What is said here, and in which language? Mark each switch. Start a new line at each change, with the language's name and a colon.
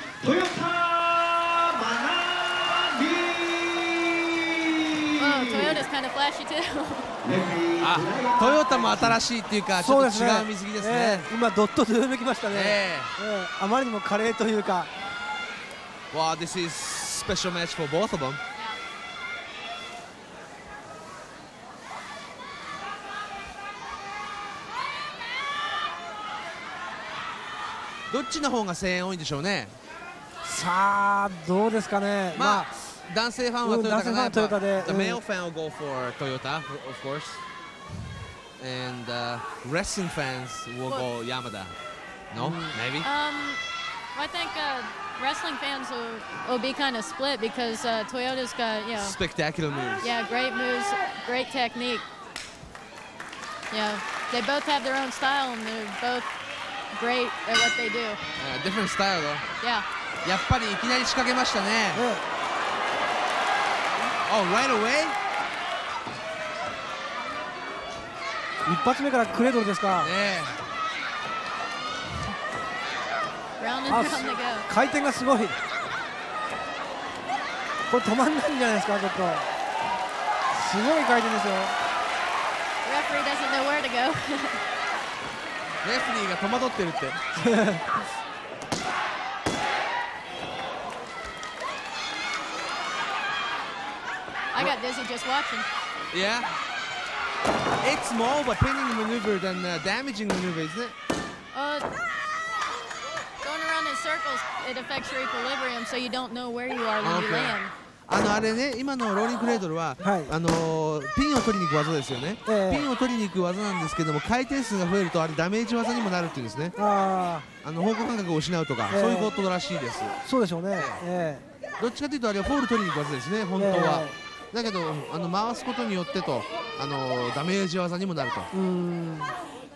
Japanese: トヨタ真奈美、
English: トヨタ is kind of flashy too。
Japanese: あ、トヨタも新しいっていうか、ちょっと違う水着ですね。今ドットズームきましたね、あまりにも華麗というか。
English: Wow, this is special match for both of them。
Japanese: どっちの方が声援多いんでしょうね。さあどうですかね、まあ、まあ、男性ファンはトヨタかな、トヨタで、メールファンを
English: go for トヨタ of course and wrestling fans will go Yamada no maybe I think wrestling fans will be kind of split because Toyota's got you know spectacular moves, yeah, great moves, great technique, yeah, they both have their own style and they're bothGreat at what they do. Different style though. Yeah.
Japanese: やっぱりいきなり仕掛けましたね。
English: Oh, right away?
Japanese: 一発目からクレードルですか。ね。
English: Round and round they go.
Japanese: 回転がすごい。これ止まんないんじゃないですか、ちょっと。すごい回転ですよ。
English: Referee doesn't know where to go.
Japanese: レフリーが戸惑ってるって。
English: I got dizzy just watching. Yeah. It's more of a pinning maneuver than a damaging maneuver, isn't it? Going around in circles, it affects your equilibrium, so you don't know where you are when you land.
Japanese: あれね、今のローリングクレードルは、はい、ピンを取りに行く技ですよね、ピンを取りに行く技なんですけども、回転数が増えるとあれダメージ技にもなるっていうんですね。方向感覚を失うとか、そういうことらしいです。そうでしょうね、どっちかというとあれはフォール取りに行く技ですね、本当は、だけど回すことによってと、ダメージ技にもなると。